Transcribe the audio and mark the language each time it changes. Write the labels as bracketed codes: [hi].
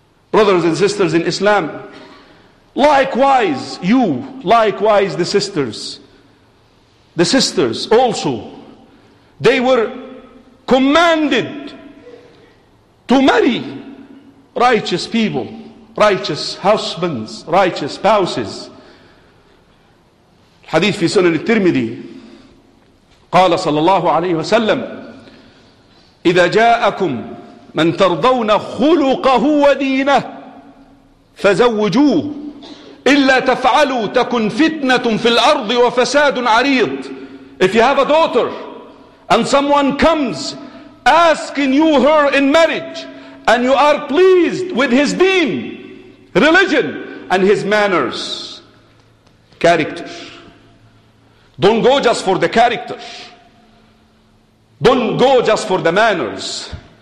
[en] Brothers and sisters in Islam, likewise you, likewise the sisters also, they were commanded to marry righteous people, righteous husbands, righteous spouses. [ar] Hadith fi Sunan al-Tirmidhi, قال صلى الله عليه وسلم, إذا جاءكم من ترضون خلقه ودينه فزوجوه إلا تفعلوا تكن فتنة في الأرض وفساد عريض. [en] If you have a daughter and someone comes asking you her in marriage and you are pleased with his deen, religion, and his manners, character. Don't go just for the character. Don't go just for the manners.